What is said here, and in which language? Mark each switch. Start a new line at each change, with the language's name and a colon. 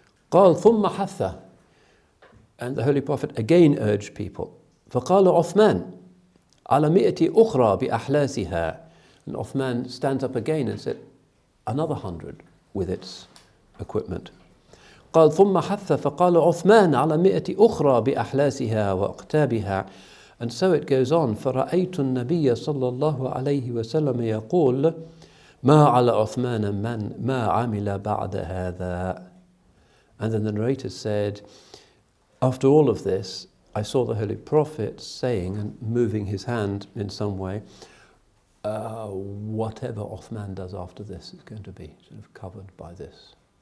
Arabic: قال ثم حث
English: And the Holy Prophet again urged people.
Arabic: فقال عثمان على 100 أخرى بأحلاسها
English: And Uthman stands up again and said, another 100 with its equipment.
Arabic: قال ثم حث فقال عثمان على 100 أخرى بأحلاسها وأقتابها
English: And so it goes on.
Arabic: فرأيت النبي صلى الله عليه وسلم يقول Ma ala Uthman man ma amila ba'da hadha.
English: And then the narrator said, after all of this, I saw the Holy Prophet saying and moving his hand in some way, whatever Uthman does after this is going to be sort of covered by this.